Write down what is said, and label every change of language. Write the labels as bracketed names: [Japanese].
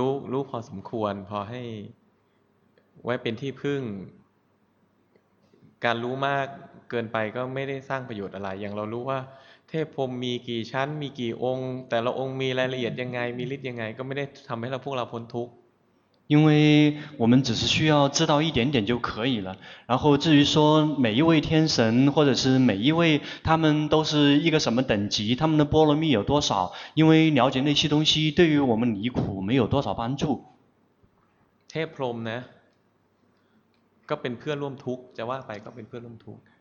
[Thai] รู้พอสมควรพอให้ไว้เป็นที่พึ่งการรู้มากเกินไปก็ไม่ได้สร้างประโยชน์อะไรอย่างเรารู้ว่าเทพพรหมมีกี่ชั้นมีกี่องค์แต่ละองค์มีรายละเอียดยังไงมีฤทธิ์ยังไงก็ไม่ได้ทำให้เราพวกเราพ้นทุกข์ [Chinese] 因为我们只是需要知道一点点就可以了然后至于说每一位天神或者是每一位他们都是一个什么等级他们的波罗蜜有多少因为了解那些东西对于我们离苦没有多少帮助 [Thai] เทพพรหมนะก็เป็นเพื่อนร่วมทุกข์จะว่าไปก็เป็นเพื่อนร่วมทุกข์